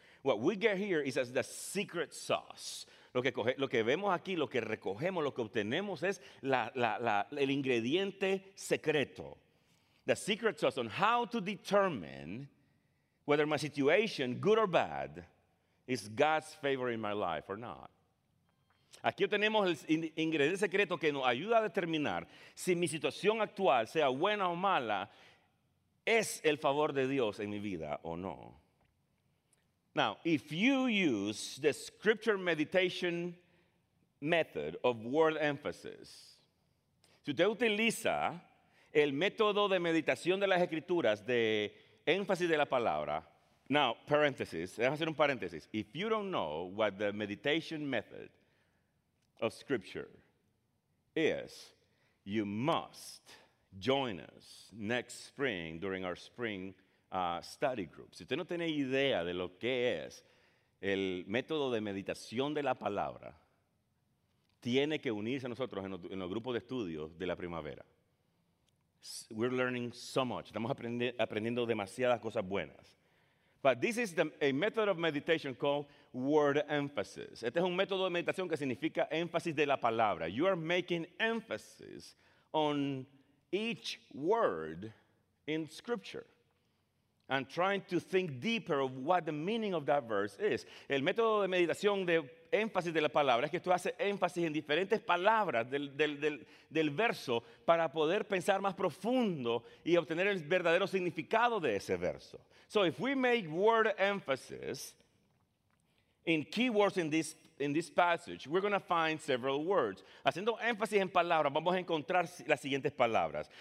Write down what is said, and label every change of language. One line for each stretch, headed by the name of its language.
English: What we get here is as the secret sauce.
Spanish: Lo que vemos aquí, lo que recogemos, lo que obtenemos es el ingrediente secreto.
English: The secret sauce on how to determine whether my situation, good or bad, is God's favor in my life or not.
Spanish: Aquí tenemos el ingrediente secreto que nos ayuda a determinar si mi situación actual, sea buena o mala, es el favor de Dios en mi vida o no.
English: Now, if you use the scripture meditation method of word emphasis,
Spanish: si usted utiliza el método de meditación de las escrituras de énfasis de la palabra,
English: now,
Spanish: paréntesis, déjame hacer un paréntesis.
English: If you don't know what the meditation method of scripture is, you must join us next spring during our spring study group.
Spanish: Si usted no tiene idea de lo que es el método de meditación de la palabra, tiene que unirse a nosotros en los grupos de estudios de la primavera.
English: We're learning so much.
Spanish: Estamos aprendiendo demasiadas cosas buenas.
English: But this is a method of meditation called word emphasis.
Spanish: Este es un método de meditación que significa énfasis de la palabra.
English: You are making emphasis on each word in Scripture. And trying to think deeper of what the meaning of that verse is.
Spanish: El método de meditación de énfasis de la palabra, es que tú haces énfasis en diferentes palabras del verso para poder pensar más profundo y obtener el verdadero significado de ese verso.
English: So if we make word emphasis in keywords in this passage, we're going to find several words.
Spanish: Haciendo énfasis en palabras, vamos a encontrar las siguientes palabras.